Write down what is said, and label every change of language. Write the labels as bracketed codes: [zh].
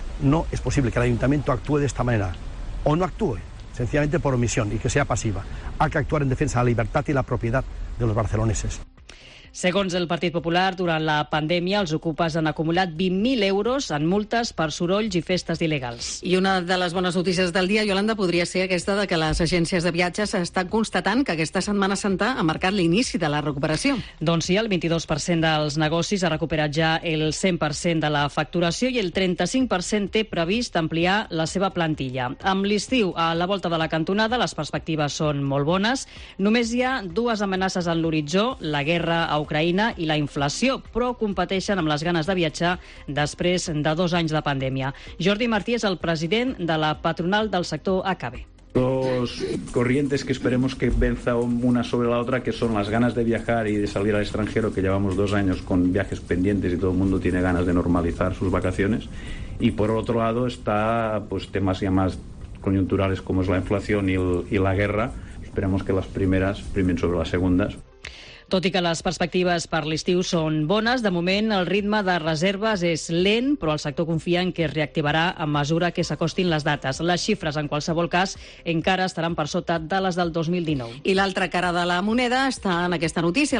[es] No es posible que el Ayuntamiento actúe de esta manera, o no actúe, sencillamente por omisión y que sea pasiva. Ha que actuar en defensa de la libertad y la propiedad de los barceloneses. [ca] Segons el Partit Popular, durant la pandèmia, els ocupes han acumulat 20.000 euros en multes per sorolls i festes il·legals. I una de les bones notícies del dia, Iolanda, podria ser aquesta de que les agències de viatges estan constatant que aquesta Setmana Santa ha marcat l'inici de la recuperació. Doncs sí, el 22% dels negocis ha recuperat ja el 100% de la facturació i el 35% té previst ampliar la seva plantilla. Amb l'estiu a la volta de la cantonada, les perspectives són molt bones. Només hi ha dues amenaces en l'horitzó, la guerra a Ucraïna i la inflació, però competeixen amb les ganes de viatjar després de 2 anys de pandèmia. Jordi Martí és el president de la patronal del sector ACB. [es] Dos corrientes que esperemos que venza una sobre la otra, que son las ganas de viajar y de salir al extranjero, que llevamos 2 años con viajes pendientes y todo el mundo tiene ganas de normalizar sus vacaciones. Y por otro lado está pues temas ya más coyunturales como es la inflación y la guerra. Esperemos que las primeras primen sobre las segundas. [ca] Tot i que les perspectives per l'estiu són bones, de moment el ritme de reserves és lent, però el sector confia en que es reactivarà a mesura que s'acostin les dates. Les xifres, en qualsevol cas, encara estaran per sota de les del 2019. I l'altra cara de la moneda està en aquesta notícia.